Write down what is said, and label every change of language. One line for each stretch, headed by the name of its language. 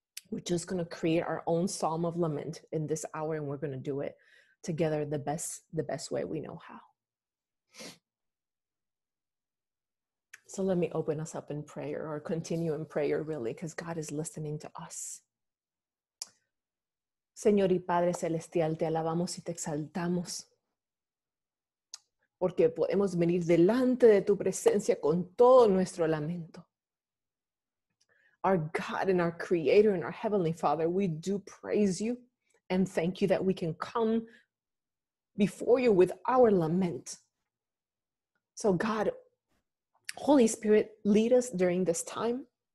English: We're just going to create our own psalm of lament in this hour, and we're going to do it together the best way we know how. So let me open us up in prayer, or continue in prayer, really, because God is listening to us.
Spanish: Señor y Padre Celestial, te alabamos y te exaltamos, porque podemos venir delante de tu presencia con todo nuestro lamento.
English: Our God and our Creator and our Heavenly Father, we do praise you and thank you that we can come before you with our lament. So God, Holy Spirit, lead us during this time.